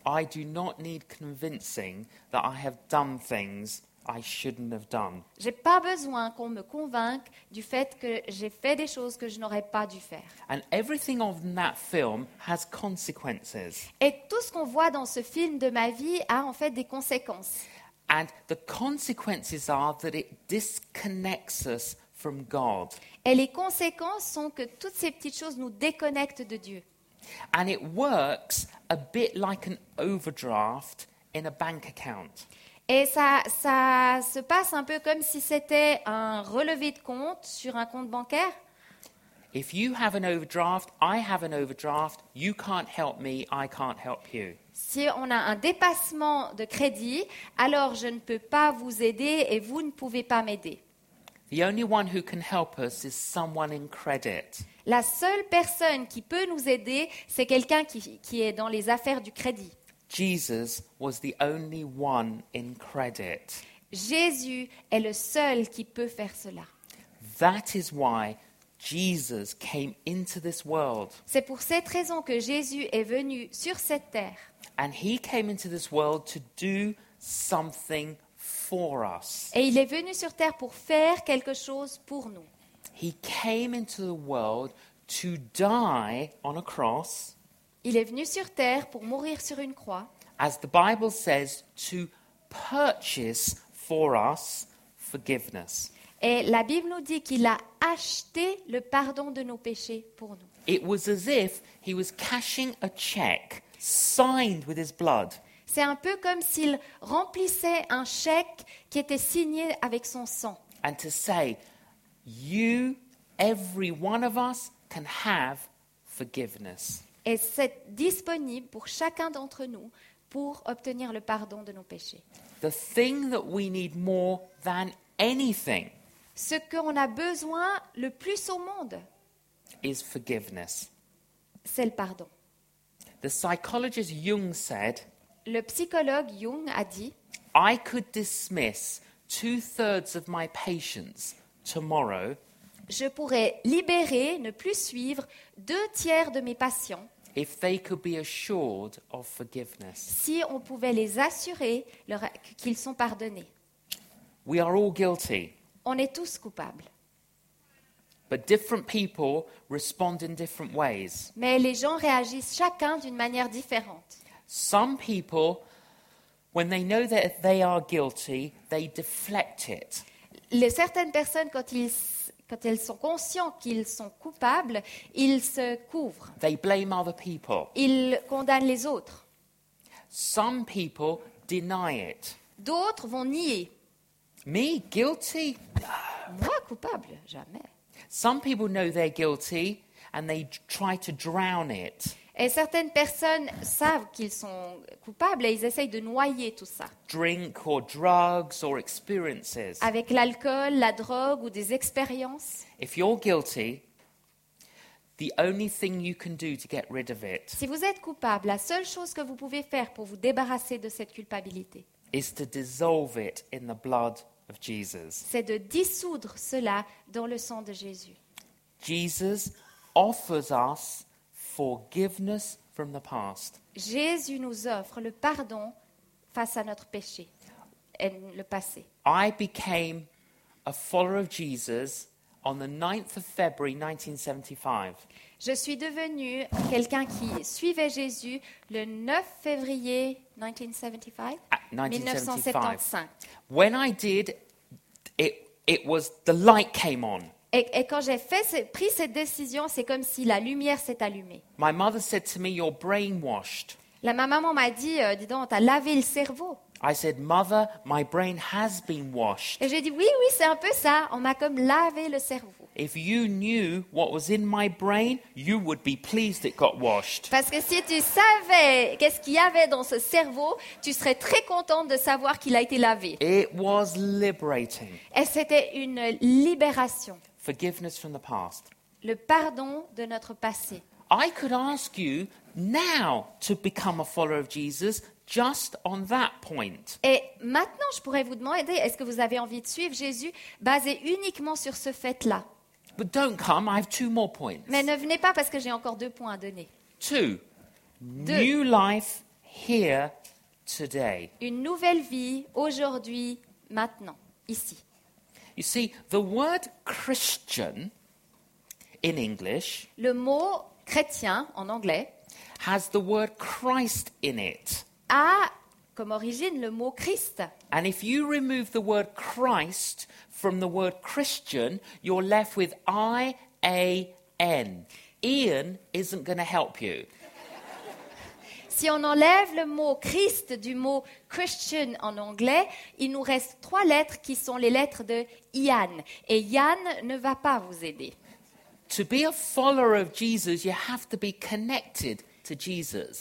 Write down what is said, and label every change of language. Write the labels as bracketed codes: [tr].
[en] I do not need convincing that I have done things I shouldn't have done. [fr] J'ai pas besoin qu'on me convainque du fait que j'ai fait des choses que je n'aurais pas dû faire. [en] And everything of that film has consequences. [fr] Et tout ce qu'on voit dans ce film de ma vie a en fait des conséquences. [en] And the consequences are that it disconnects us from God. [fr] Et les conséquences sont que toutes ces petites choses nous déconnectent de Dieu. [en] And it works a bit like an overdraft in a bank account. [fr] Et ça se passe un peu comme si c'était un relevé de compte sur un compte bancaire. [en] If you have an overdraft, I have an overdraft, you can't help me, I can't help you. [fr] Si on a un dépassement de crédit, alors je ne peux pas vous aider et vous ne pouvez pas m'aider. [en] The only one who can help us is someone in credit. [fr] La seule personne qui peut nous aider, c'est quelqu'un qui est dans les affaires du crédit. [en] Jesus was the only one in credit. [fr] Jésus est le seul qui peut faire cela. [en] That is why Jesus came into this world. [fr] C'est pour cette raison que Jésus est venu sur cette terre. [en] And he came into this world to do something for us. [fr] Et il est venu sur terre pour faire quelque chose pour nous. [en] He came into the world to die on a cross. [fr] Il est venu sur terre pour mourir sur une croix. [en] As the Bible says, to purchase for us forgiveness. [fr] Et la Bible nous dit qu'il a acheté le pardon de nos péchés pour nous. [en] It was as if he was cashing a check signed with his blood. [fr] C'est un peu comme s'il remplissait un chèque qui était signé avec son sang. [en] And to say, You, every one of us, can have forgiveness. [fr] Et c'est disponible pour chacun d'entre nous pour obtenir le pardon de nos péchés. [en] The thing that we need more than anything. [fr] Ce qu'on a besoin le plus au monde. [en] Is forgiveness. [fr] C'est le pardon. [en] The psychologist Jung said. [fr] Le psychologue Jung a dit. [en] I could dismiss 2/3 of my patients tomorrow. [fr] Je pourrais libérer, ne plus suivre, 2/3 de mes patients. [en] If they could be assured of forgiveness. [fr] Si on pouvait les assurer qu'ils sont pardonnés. [en] We are all guilty. [fr] On est tous coupables. [en] But different people respond in different ways. [fr] Mais les gens réagissent chacun d'une manière différente. [en] Some people, when they know that they are guilty, they deflect it. [fr] Certaines personnes, quand elles sont conscientes qu'ils sont coupables, ils se couvrent. [en] They blame other people. [fr] Ils condamnent les autres. [en] Some people deny it. [fr] D'autres vont nier. [en] Me, guilty? [fr] Moi, coupable? Jamais. [en] Some people know they're guilty and they try to drown it. [fr] Et certaines personnes savent qu'ils sont coupables et ils essayent de noyer tout ça. [en] Drink or drugs or experiences. [fr] Avec l'alcool, la drogue ou des expériences. [en] If you're guilty, the only thing you can do to get rid of it. [fr] Si vous êtes coupable, la seule chose que vous pouvez faire pour vous débarrasser de cette culpabilité. [en] Is to dissolve it in the blood of Jesus. [fr] C'est de dissoudre cela dans le sang de Jésus. [en] Jesus offers us forgiveness from the past. [fr] Jésus nous offre le pardon face à notre péché et le passé. [en] I became a follower of Jesus on the 9th of February 1975. [fr] Je suis devenu quelqu'un qui suivait Jésus le 9 février 1975. 1975. [en] When I did, it was the light came on. [fr] Et quand j'ai pris cette décision, c'est comme si la lumière s'est allumée. [en] My mother said to me, "You're brainwashed." [fr] Ma maman m'a dit, dis donc, t'as lavé le cerveau. I said, "Mother, my brain has been washed." Et j'ai dit, oui, c'est un peu ça. On m'a comme lavé le cerveau. [en] If you knew what was in my brain, you would be pleased it got washed. [fr] Parce que si tu savais qu'est-ce qu'il y avait dans ce cerveau, tu serais très contente de savoir qu'il a été lavé. [en] It was liberating. [fr] Et c'était une libération. [en] Forgiveness from the past. [fr] Le pardon de notre passé. [en] I could ask you now to become a follower of Jesus just on that point. [fr] Et maintenant, je pourrais vous demander, est-ce que vous avez envie de suivre Jésus basé uniquement sur ce fait-là? [en] But don't come, I have two more points. [fr] Mais ne venez pas parce que j'ai encore deux points à donner. [en] Two. [fr] Deux. [en] New life here today. [fr] Une nouvelle vie aujourd'hui, maintenant, ici. [en] You see, the word Christian in English, [fr] le mot chrétien en anglais, [en] has the word Christ in it. [fr] A comme origine le mot Christ. [en] And if you remove the word Christ from the word Christian, you're left with I-A-N. Ian isn't going to help you. [fr] Si on enlève le mot Christ du mot Christian en anglais, il nous reste trois lettres qui sont les lettres de Ian. Et Ian ne va pas vous aider. [en] To be a follower of Jesus, you have to be connected to Jesus.